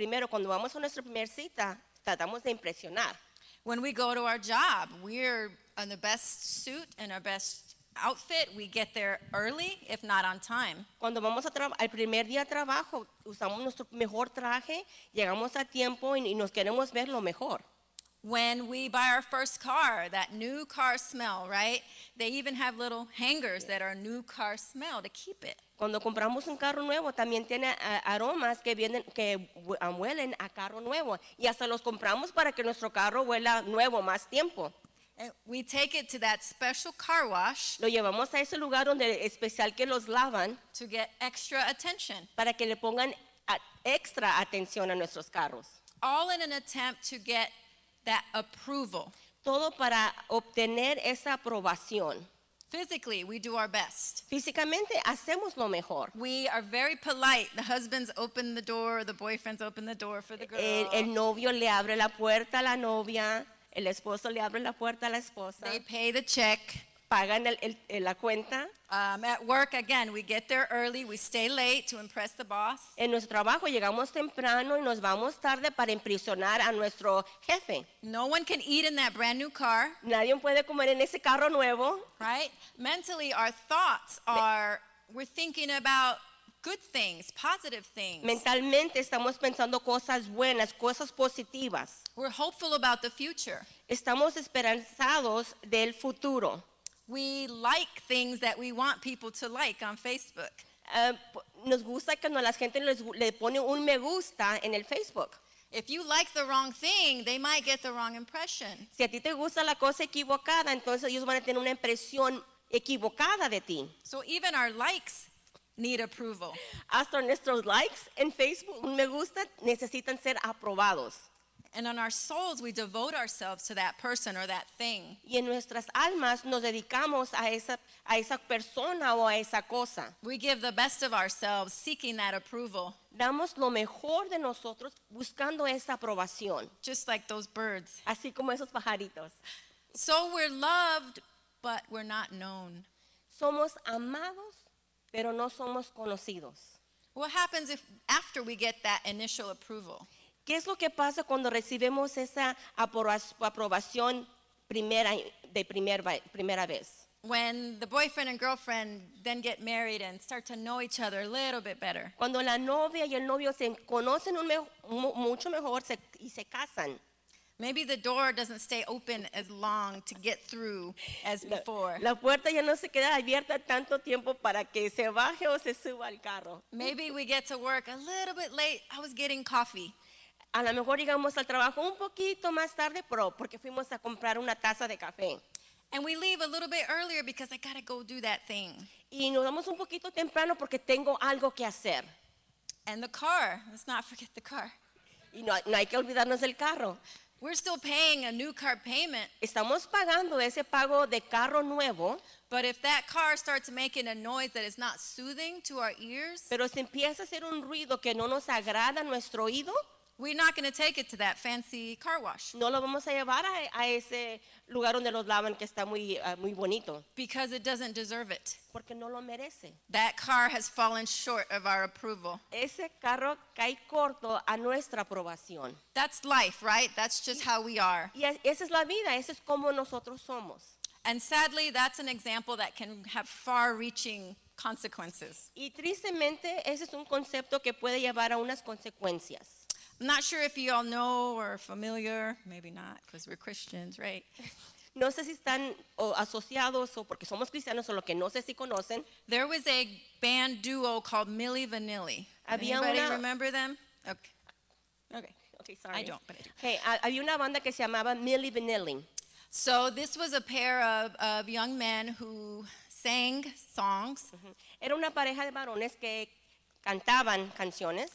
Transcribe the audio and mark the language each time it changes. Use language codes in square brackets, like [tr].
[es] Cuando vamos a nuestra primera cita, tratamos de impresionar. [en] When we go to our job, we're in the best suit and our best outfit. We get there early, if not on time. [es] Cuando vamos al primer día de trabajo, usamos nuestro mejor traje, llegamos a tiempo y nos queremos ver lo mejor. [en] When we buy our first car, that new car smell, right? They even have little hangers that are new car smell to keep it. [es] Cuando compramos un carro nuevo, también tiene aromas que huelen a carro nuevo. Y hasta los compramos para que nuestro carro huela nuevo más tiempo. [en] And we take it to that special car wash. [es] Lo llevamos a ese lugar donde especial que los lavan. [en] To get extra attention. [es] Para que le pongan extra atención a nuestros carros. [en] All in an attempt to get that approval. [es] Todo para obtener esa aprobación. [en] Physically, we do our best. [es] Físicamente, hacemos lo mejor. [en] We are very polite. The husbands open the door, the boyfriends open the door for the girl. [es] El novio le abre la puerta a la novia. El esposo le abre la puerta a la esposa. [en] They pay the check. [es] Pagan la cuenta. [en] At work, again, we get there early. We stay late to impress the boss. [es] En nuestro trabajo, llegamos temprano y nos vamos tarde para impresionar a nuestro jefe. [en] No one can eat in that brand new car. [es] Nadie puede comer en ese carro nuevo. [en] Right? Mentally, our thoughts are, we're thinking about good things, positive things. [es] Mentalmente estamos pensando cosas buenas, cosas positivas. [en] We're hopeful about the future. [es] Estamos esperanzados del futuro. [en] We like things that we want people to like on Facebook. [es] Nos gusta cuando la gente le pone un me gusta en el Facebook. [en] If you like the wrong thing, they might get the wrong impression. [es] Si a ti te gusta la cosa equivocada, entonces ellos van a tener una impresión equivocada de ti. [en] So even our likes need approval. [es] Hasta nuestros likes en Facebook, un me gusta, necesitan ser aprobados. [en] And on our souls, we devote ourselves to that person or that thing. [es] Y en nuestras almas nos dedicamos a esa persona o a esa cosa. [en] We give the best of ourselves, seeking that approval. [es] Damos lo mejor de nosotros buscando esa aprobación. [en] Just like those birds. [es] Así como esos pajaritos. [en] So we're loved, but we're not known. [es] Somos amados, pero no somos conocidos. [en] What happens if after we get that initial approval? [es] ¿Qué es lo que pasa cuando recibimos esa aprobación primera vez? [en] When the boyfriend and girlfriend then get married and start to know each other a little bit better. [es] Cuando la novia y el novio se conocen mucho mejor y se casan. [en] Maybe the door doesn't stay open as long to get through as before. [es] La puerta ya no se queda abierta tanto tiempo para que se baje o se suba al carro. [en] Maybe we get to work a little bit late. I was getting coffee. [es] A lo mejor llegamos al trabajo un poquito más tarde, pero porque fuimos a comprar una taza de café. [en] And we leave a little bit earlier because I gotta go do that thing. [es] Y nos vamos un poquito temprano porque tengo algo que hacer. [en] And the car. Let's not forget the car. [es] Y no hay que olvidarnos del carro. [en] We're still paying a new car payment. [es] Estamos pagando ese pago de carro nuevo. [en] But if that car starts making a noise that is not soothing to our ears. [es] Pero si empieza a hacer un ruido que no nos agrada a nuestro oído. [en] We're not going to take it to that fancy car wash. [es] No lo vamos a llevar a ese lugar donde los lavan que está muy muy bonito. [en] Because it doesn't deserve it. [es] Porque no lo merece. [en] That car has fallen short of our approval. [es] Ese carro cae corto a nuestra aprobación. [en] That's life, right? That's just how we are. [es] Y esa es la vida, ese es como nosotros somos. [en] And sadly, that's an example that can have far-reaching consequences. [es] Y tristemente, ese es un concepto que puede llevar a unas consecuencias. [en] I'm not sure if you all know or are familiar, maybe not, because we're Christians, right? [es] No sé si están asociados o porque somos cristianos o lo que no sé si conocen. [en] There was a band duo called Milli Vanilli. [es] Había [en] anybody [es] una... [en] remember them? Okay, sorry. I don't, but I do. [es] Hey, había una banda que se llamaba Milli Vanilli. [en] So this was a pair of young men who sang songs. Mm-hmm. [es] Era una pareja de varones que cantaban canciones.